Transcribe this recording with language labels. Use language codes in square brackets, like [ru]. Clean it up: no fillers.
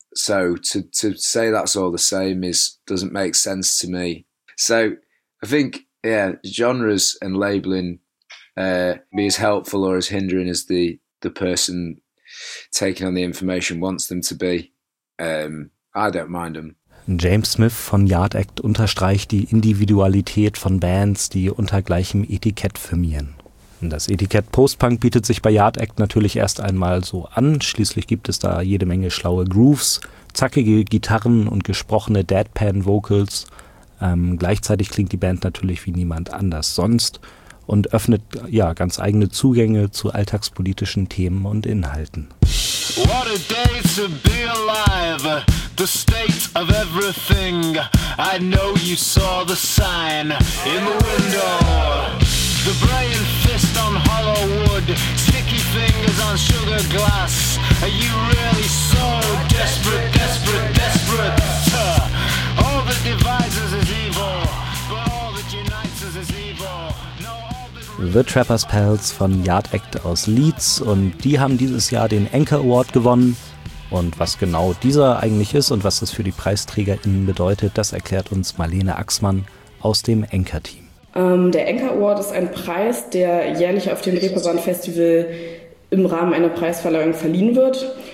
[en] So to say that's all the same is doesn't make sense to me. So I think, yeah, genres and labeling be as helpful or as hindering as the person taking on the information wants them to be. I don't mind them. [de] James Smith von Yard Act unterstreicht die Individualität von Bands, die unter gleichem Etikett firmieren. Das Etikett Postpunk bietet sich bei Yard Act natürlich erst einmal so an. Schließlich gibt es da jede Menge schlaue Grooves, zackige Gitarren und gesprochene Deadpan-Vocals. Gleichzeitig klingt die Band natürlich wie niemand anders sonst und öffnet ja ganz eigene Zugänge zu alltagspolitischen Themen und Inhalten. [en] What a day to be alive. The state of everything. I know you saw the sign in the window. The brain fist on hollow wood. Sticky fingers on sugar glass. Are you really so desperate, desperate, desperate? All that divides us is evil. But all that unites us is evil. [de] The Trapper's Pals von Yard Act aus Leeds und die haben dieses Jahr den Anchor Award gewonnen. Und was genau dieser eigentlich ist und was das für die PreisträgerInnen bedeutet, das erklärt uns Marlene Axmann aus dem Anchor-Team. Der Anchor Award ist ein Preis, der jährlich auf dem Reeperbahn-Festival im Rahmen einer Preisverleihung verliehen wird.